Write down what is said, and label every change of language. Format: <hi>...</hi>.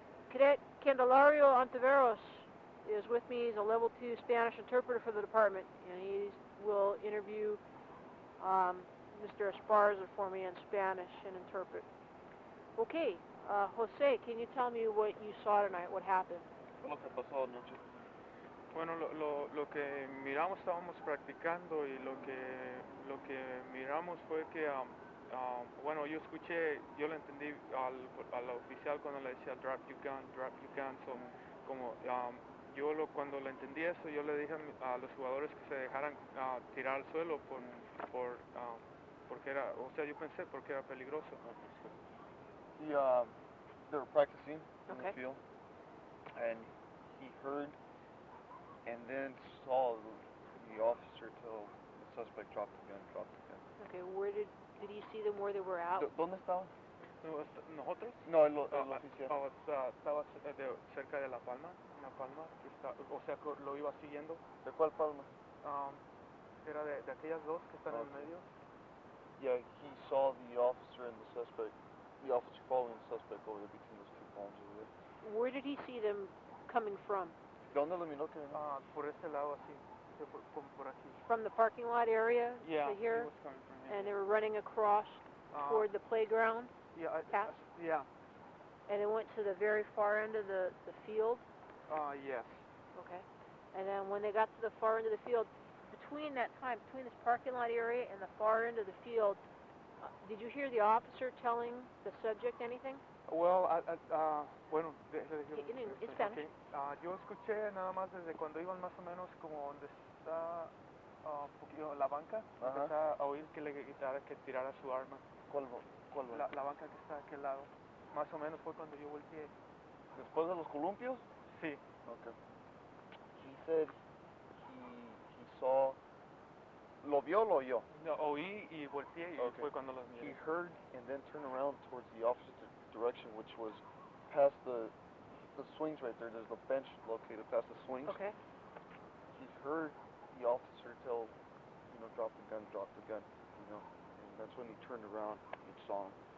<en>Cadet Candelario Ontiveros is with me. He's a level 2 Spanish interpreter for the department, and he will interview Mr. Esparza for me in Spanish and interpret. Okay. Jose, can you tell me what you saw tonight? What happened?</en> <es>¿Cómo se pasó anoche? Bueno, lo que miramos, estábamos practicando y lo que miramos fue que, bueno, yo escuché, yo le entendí al oficial cuando le decía</es> <en>drop your gun,</en> <es>so, como, cuando le entendí eso, yo le dije a los jugadores que se dejaran tirar al suelo porque era, o sea, yo pensé porque era peligroso.</es> <en>They were practicing in the field, and he heard and then saw the officer tell the suspect drop the gun. Okay, where did he see them where they were out?</en> <es>¿Dónde estaban? ¿Nosotros? No, el oficial. Estaba cerca de la palma, que está, o sea, lo iba siguiendo. ¿De cuál palma? Era de aquellas dos que están en el medio.</es> <en>Yeah, he saw the officer and the suspect. The officer following the suspect over there between those two palms over there. Where did he see them coming from?</en> <es>¿Dónde lo miró que venía? Por este lado, así. Por aquí.</es> <en>From the parking lot area? Yeah, to here, he was coming from here. And they were running across toward the playground? Yeah. And it went to the very far end of the field? Yes. Okay. And then when they got to the far end of the field, between that time, between this parking lot area and the far end of the field, did you hear the officer telling the subject anything?</en> <es>Well, bueno, déjale decir.</es> <en>It's Spanish. Okay.</en> <es>Yo escuché nada más desde cuando iban más o menos como donde está un poquito la banca. Empecé a oír que le gritara que tirara su arma. ¿Cuál banca? La banca que está a aquel lado. Más o menos fue cuando yo volteé. ¿Después de los columpios? Sí.</es> <en>Okay. He said he saw...</en> <es>¿Lo vio o lo oyó? No, oí y volteé y fue cuando los miré.</es> <en>He heard and then turned around towards the opposite direction, which was past the swings right there. There's the bench located past the swings. Okay. He heard the officer tell, drop the gun, you know. And that's when he turned around and saw him.</en>